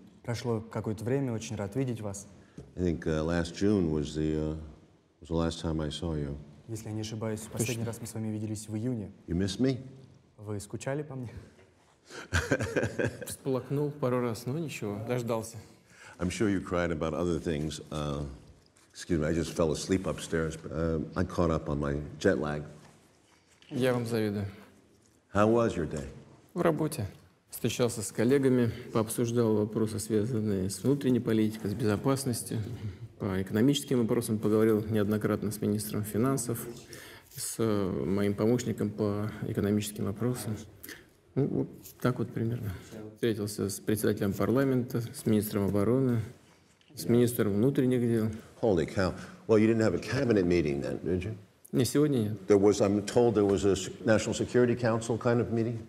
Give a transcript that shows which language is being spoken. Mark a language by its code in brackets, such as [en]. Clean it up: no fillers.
[ru] Прошло какое-то время, очень рад видеть вас. [en] I think last June was the last time I saw you. [ru] Если я не ошибаюсь, последний раз мы с вами виделись в июне. [en] You miss me? [ru] Вы скучали по мне? Всплакнул пару раз, но ничего, дождался. [en] I'm sure you cried about other things. Excuse me, I just fell asleep upstairs, but I caught up on my jet lag. [ru] Я вам завидую. [en] How was your day? [ru] В работе. Встречался с коллегами, пообсуждал вопросы, связанные с внутренней политикой, с безопасностью. По экономическим вопросам поговорил неоднократно с министром финансов, с моим помощником по экономическим вопросам. Ну, вот так вот примерно. Встретился с председателем парламента, с министром обороны, с министром внутренних дел. [en] Holy cow. Well, you didn't have a cabinet meeting then, did you? [ru] Не сегодня, нет. [en] There was, I'm told, there was a National Security Council kind of meeting?